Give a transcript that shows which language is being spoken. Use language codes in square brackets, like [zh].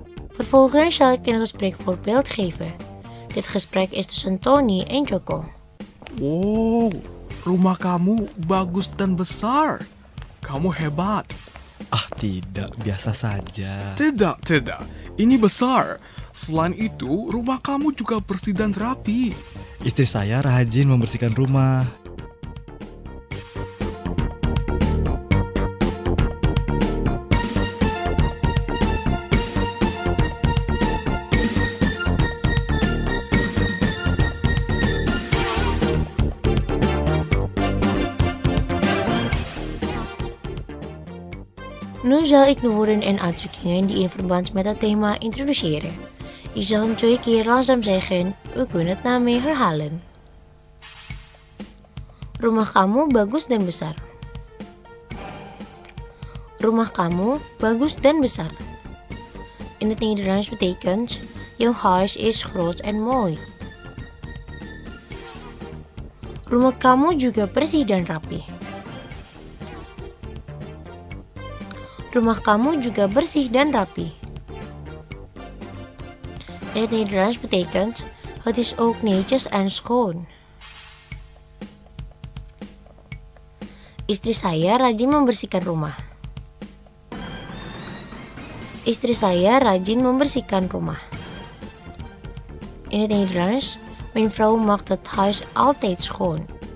[nl] Vervolgens zal ik een gesprek voorbeeld geven. Dit gesprek is tussen Tony en Joko. [id] Oh, rumah kamu bagus dan besar. Kamu hebat. Ah tidak, biasa saja. Tidak, tidak. Ini besar. Selain itu, rumah kamu juga bersih dan rapi. Istri saya rajin membersihkan rumah. [nl] Nu zal ik de woorden en uitdrukkingen die in verband met het thema introduceren. Ik zal hem 2 keer langzaam zeggen, we kunnen het daarmee herhalen. [id] Rumah kamu bagus dan besar. Rumah kamu bagus dan besar. [nl] In het Nederlands betekent, jouw huis is groot en mooi. [id] Rumah kamu juga bersih dan rapi. Rumah kamu juga bersih dan rapi. [nl] In het Nederlands betekent, het is ook netjes en schoon. [id] Istri saya rajin membersihkan rumah. Istri saya rajin membersihkan rumah. [nl] In het Nederlands, mijn vrouw maakt het huis altijd schoon.